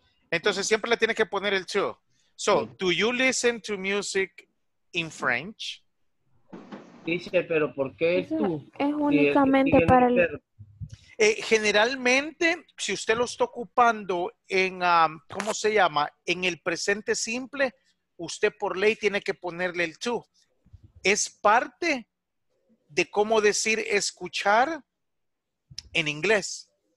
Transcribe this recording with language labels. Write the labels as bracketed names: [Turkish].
[Spanish] Entonces siempre le tiene que poner el to. [English] So, do you listen to music in French? [Spanish] Dice, pero ¿por qué es tú? Es únicamente para el... Generalmente, si usted lo está ocupando en, ¿cómo se llama? En el presente simple, usted por ley tiene que ponerle el to. Es parte de cómo decir escuchar en inglés.